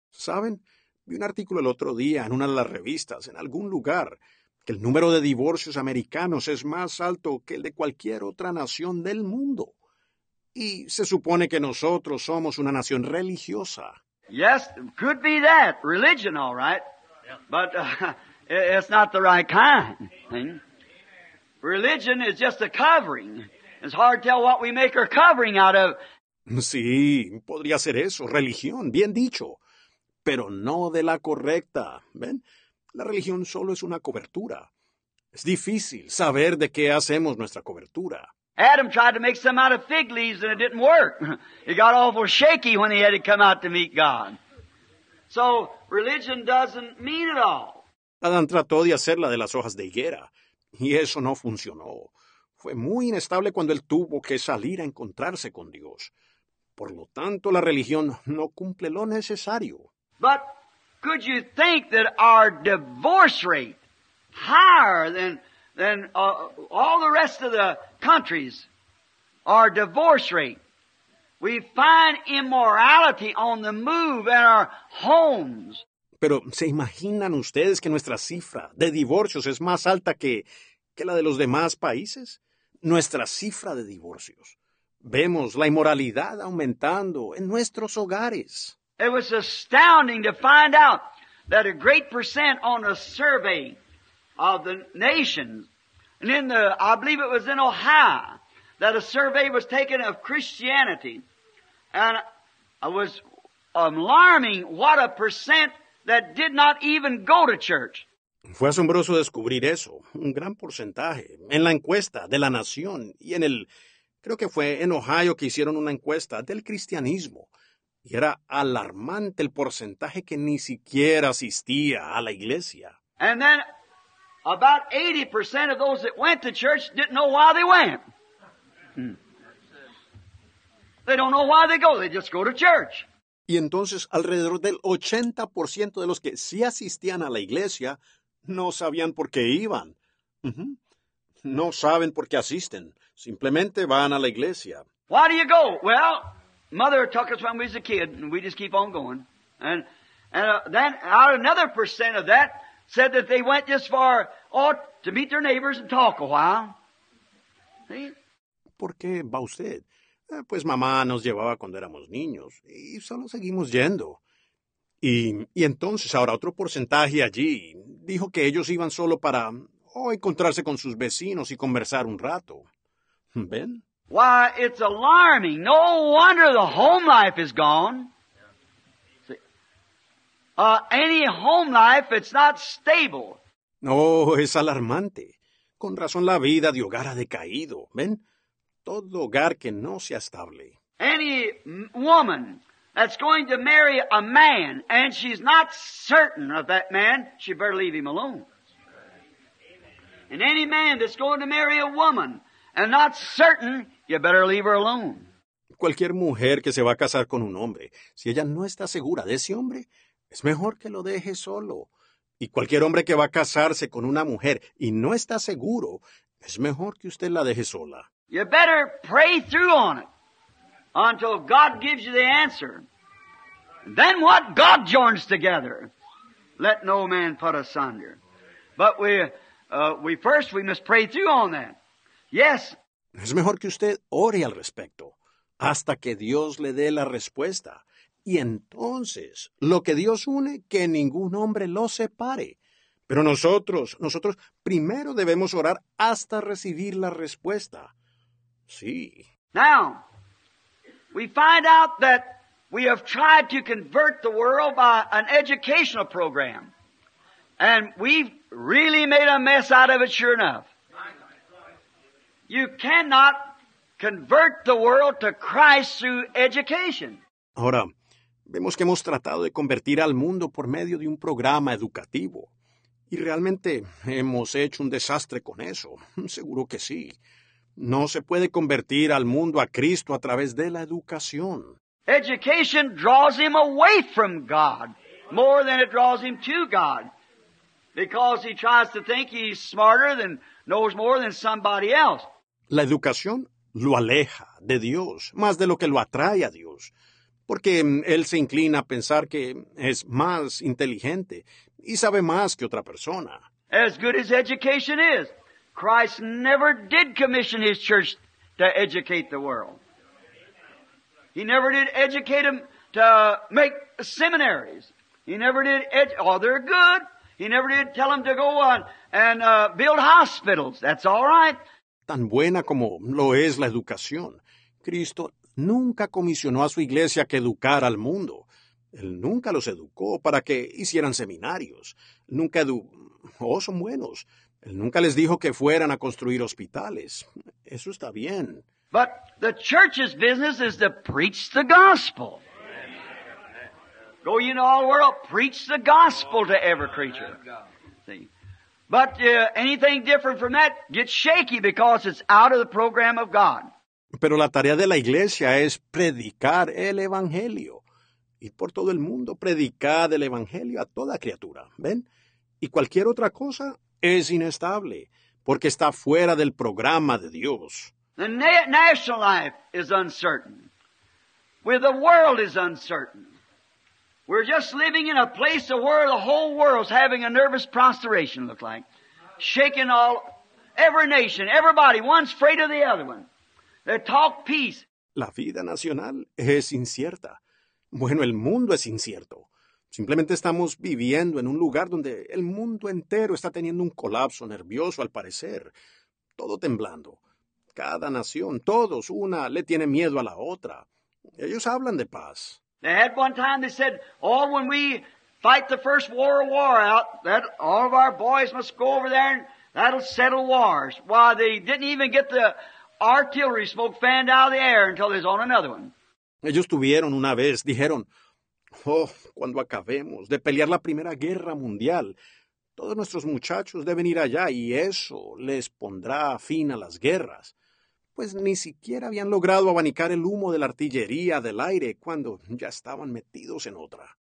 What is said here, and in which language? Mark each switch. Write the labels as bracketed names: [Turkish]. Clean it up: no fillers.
[Spanish] ¿Saben? Vi un artículo el otro día en una de las revistas, en algún lugar, que el número de divorcios americanos es más alto que el de cualquier otra nación del mundo. Y se supone que nosotros somos una nación religiosa. [English] Yes, could be that. Religion, all right. But it's not the right kind. Religion is just a covering. It's hard to tell what we make our covering out of. [Spanish] Sí, podría ser eso. Religión, bien dicho. Pero no de la correcta, ¿ven? La religión solo es una cobertura. Es difícil saber de qué hacemos nuestra cobertura. [English] Adam tried to make some out of fig leaves and it didn't work. He got awful shaky when he had to come out to meet God. So, religion doesn't mean it all. [Spanish] Adán trató de hacerla de las hojas de higuera y eso no funcionó. Fue muy inestable cuando él tuvo que salir a encontrarse con Dios. Por lo tanto, la religión no cumple lo necesario. [English] But could you think that our divorce rate higher than all the rest of the countries, our divorce rate, we find immorality on the move in our homes. [Spanish] Pero ¿se imaginan ustedes que nuestra cifra de divorcios es más alta que la de los demás países? Nuestra cifra de divorcios. Vemos la inmoralidad aumentando en nuestros hogares. [English] It was astounding to find out that a great percent on a survey of the nation, and in the, I believe it was in Ohio, that a survey was taken of Christianity, and it was alarming what a percent that did not even go to church. [Spanish] Fue asombroso descubrir eso, un gran porcentaje, en la encuesta de la nación, y en el, creo que fue en Ohio que hicieron una encuesta del cristianismo. Y era alarmante el porcentaje que ni siquiera asistía a la iglesia. [English] And then about 80% of those that went to church didn't know why they went. They don't know why they go. They just go to church. [Spanish] Y entonces alrededor del 80% de los que sí asistían a la iglesia no sabían por qué iban. No saben por qué asisten. Simplemente van a la iglesia. [English] Why do you go? Well, mother took us when we was a kid, and we just keep on going. And then out another percent of that said that they went just for to meet their neighbors and talk a while. See? [Spanish] ¿Por qué va usted? Pues mamá nos llevaba cuando éramos niños y solo seguimos yendo. Y entonces ahora otro porcentaje allí dijo que ellos iban solo para encontrarse con sus vecinos y conversar un rato. ¿Ven? [English] Why, it's alarming. No wonder the home life is gone. Any home life, it's not stable. [Spanish] Es alarmante. Con razón la vida de hogar ha decaído. ¿Ven? Todo hogar que no sea estable. [English] Any woman that's going to marry a man and she's not certain of that man, she better leave him alone. And any man that's going to marry a woman and not certain, you better leave her alone. [Spanish] Cualquier mujer que se va a casar con un hombre, si ella no está segura de ese hombre, es mejor que lo deje solo. Y cualquier hombre que va a casarse con una mujer y no está seguro, es mejor que usted la deje sola. [English] You better pray through on it until God gives you the answer. Then what God joins together, let no man put asunder. But we must pray through on that. Yes. [Spanish] Es mejor que usted ore al respecto hasta que Dios le dé la respuesta. Y entonces, lo que Dios une, que ningún hombre lo separe. Pero nosotros primero debemos orar hasta recibir la respuesta. Sí. [English] Now, we find out that we have tried to convert the world by an educational program. And we've really made a mess out of it, sure enough. You cannot convert the world to Christ through education. [Spanish] Ahora, vemos que hemos tratado de convertir al mundo por medio de un programa educativo. Y realmente hemos hecho un desastre con eso. Seguro que sí. No se puede convertir al mundo a Cristo a través de la educación. [English] Education draws him away from God more than it draws him to God. Because he tries to think he's smarter than, knows more than somebody else. [Spanish] La educación lo aleja de Dios más de lo que lo atrae a Dios. Porque él se inclina a pensar que es más inteligente y sabe más que otra persona. [English] As good as education is, Christ never did commission his church to educate the world. He never did educate them to make seminaries. He never did, they're good. He never did tell them to go on and build hospitals. That's all right. [Spanish] Tan buena como lo es la educación, Cristo nunca comisionó a su iglesia que educara al mundo. Él nunca los educó para que hicieran seminarios. Nunca son buenos. Él nunca les dijo que fueran a construir hospitales. Eso está bien. [English] But the church's business is to preach the gospel. Go ye into all the world, preach the gospel to every creature. See? But anything different from that gets shaky because it's out of the program of God. [Spanish] Pero la tarea de la iglesia es predicar el evangelio. Y por todo el mundo, predicar el evangelio a toda criatura. ¿Ven? Y cualquier otra cosa es inestable, porque está fuera del programa de Dios. [English] The national life is uncertain. Where the world is uncertain. We're just living in a place where the whole world's having a nervous prostration, look like. Shaking all, every nation, everybody, one's afraid of the other one. They talk peace. [Spanish] La vida nacional es incierta. Bueno, el mundo es incierto. Simplemente estamos viviendo en un lugar donde el mundo entero está teniendo un colapso nervioso, al parecer. Todo temblando. Cada nación, todos, una le tiene miedo a la otra. Ellos hablan de paz. [English] They had one time, they said, when we fight the first war out, that all of our boys must go over there and that'll settle wars. Why, they didn't even get the artillery smoke fanned out of the air until there's on another one. [Spanish] Ellos tuvieron una vez, dijeron, cuando acabemos de pelear la Primera Guerra Mundial, Todos nuestros muchachos deben ir allá y eso les pondrá fin a las guerras. Pues ni siquiera habían logrado abanicar el humo de la artillería del aire cuando ya estaban metidos en otra.